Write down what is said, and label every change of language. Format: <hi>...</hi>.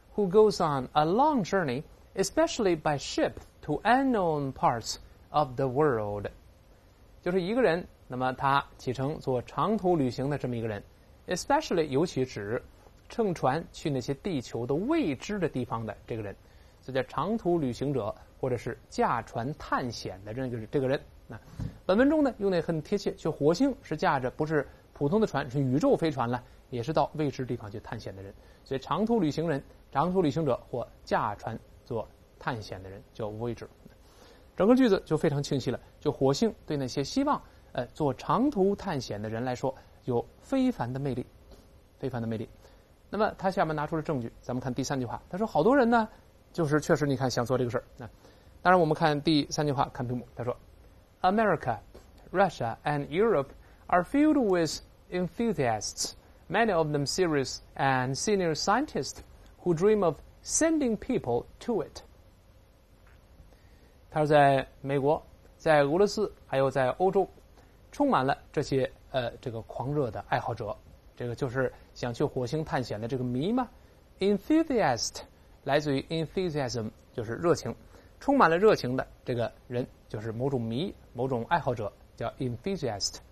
<en>Who goes on a long journey, especially by ship, to unknown parts of the world.</en> <zh>就是一个人，那么他启程做长途旅行的这么一个人， especially 尤其指乘船去那些地球的未知的地方的这个人，所以叫长途旅行者，或者是驾船探险的这个人。那本文中呢，用的很贴切，去火星是驾着不是普通的船，是宇宙飞船了，也是到未知地方去探险的人，所以长途旅行人、长途旅行者或驾船做探险的人叫 voyager。整个句子就非常清晰了，就火星对那些希望做长途探险的人来说有非凡的魅力，非凡的魅力。那么他下面拿出了证据，咱们看第三句话，他说好多人呢就是确实你看想做这个事儿。那当然我们看第三句话，看屏幕，他说</zh> <en>America, Russia and Europe are filled with enthusiasts, many of them serious and senior scientistswho dream of sending people to it.</en> <zh>他说在美国、在俄罗斯还有在欧洲充满了这些狂热的爱好者，这个就是想去火星探险的这个迷吗？ Enthusiast 来自于 enthusiasm， 就是热情，充满了热情的这个人就是某种迷、某种爱好者，叫 enthusiast。</zh>